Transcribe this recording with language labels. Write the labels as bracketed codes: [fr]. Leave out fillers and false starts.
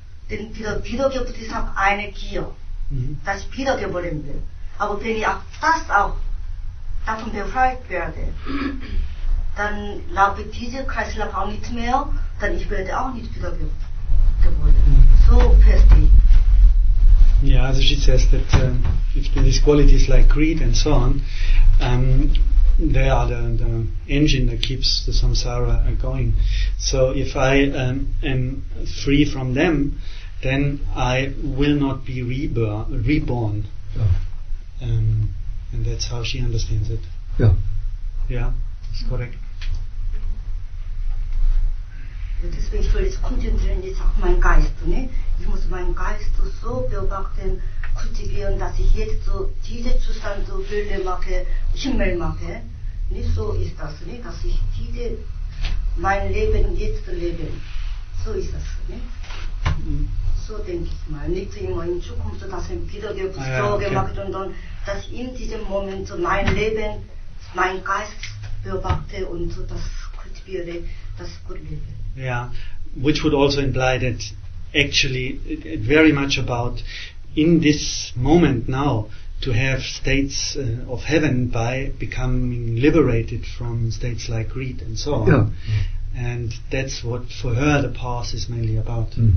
[de] Denn Wiedergeburt ist auch eine Gier, dass ich wiedergeboren bin. Aber wenn ich auch das auch davon befreit werde, dann laufe dieser Kreislauf auch nicht mehr, dann ich werde auch nicht wiedergeboren. So verstehe ich. Ja, also [en] she says that if these qualities like greed and so on, they are the engine that keeps the samsara going. So if I am free from them, then I will not be reborn. Yeah. And that's how she understands it. Yeah. Yeah, that's correct. [de] Deswegen soll ich konzentrieren jetzt auf meinen Geist, ne? Ich muss meinen Geist so beobachten, kultivieren, dass ich jetzt so diese Zustand so Bilder mache, Himmel mache. Nicht so ist das, ne? Dass ich diese mein Leben jetzt lebe. So ist das, ne? So denke ich mal. Nicht immer in Zukunft, dass ich wiedergeburt Sorge gemacht und dann, dass in diesem Moment so mein Leben, mein Geist beobachte und so das kultiviere, das gut lebe. [en] Yeah, which would also imply that actually it very much about in this moment now to have states of heaven by becoming liberated from states like greed and so on. Yeah. Mm. And that's what for her the path is mainly about.